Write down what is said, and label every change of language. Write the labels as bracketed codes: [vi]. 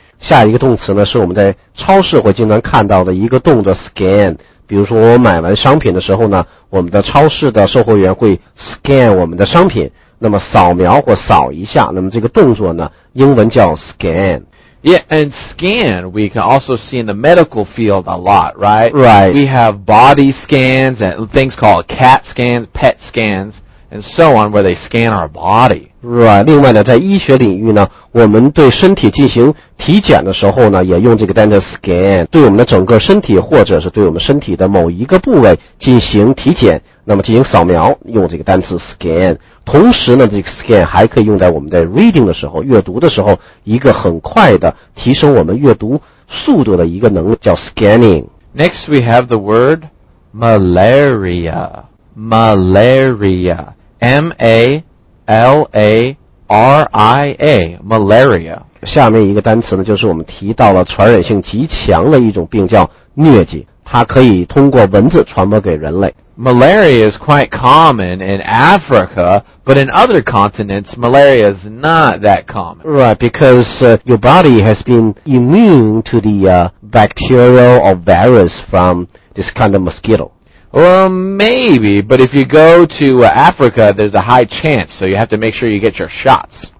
[zh] 下一个动词呢是我们在超市会经常看到的一个动作 scan， 比如说我买完商品的时候呢，我们的超市的售货员会 scan 我们的商品，那么扫描或扫一下，那么这个动作呢英文叫 scan。 [en] Yeah, and scan, we can also see in the medical field a lot, right? Right. We have body scans and things called CAT scans, PET scans, and so on, where they scan our body. Right. [zh] 另外呢，在医学领域呢，我们对身体进行体检的时候呢，也用这个单词 scan， 对我们的整个身体或者是对我们身体的某一个部位进行体检，那么进行扫描，用这个单词 scan。同时呢，这个 scan 还可以用在我们在 reading 的时候，阅读的时候，一个很快的提升我们阅读速度的一个能力叫 scanning。 [en] Next we have the word malaria. Malaria. M-A-L-A-R-I-A. Malaria. [zh] 下面一个单词呢，就是我们提到了传染性极强的一种病叫疟疾，它可以通过蚊子传播给人类。 [en] Malaria is quite common in Africa, but in other continents, malaria is not that common. Right, because your body has been immune to the bacterial or virus from this kind of mosquito. Well, maybe, but if you go to Africa, there's a high chance, so you have to make sure you get your shots.